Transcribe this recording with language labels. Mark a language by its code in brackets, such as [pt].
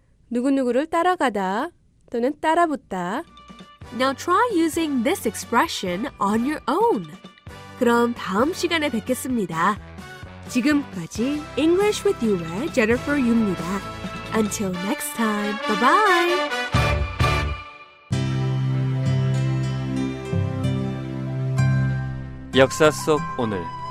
[ko] 누구누구를 따라가다 또는 따라붙다. [en] Now try using this expression on your own. [ko] 그럼 다음 시간에 뵙겠습니다. 지금까지 English with You의 Jennifer Yu입니다. [en] Until next time, bye-bye! Yaksa Sok Onul.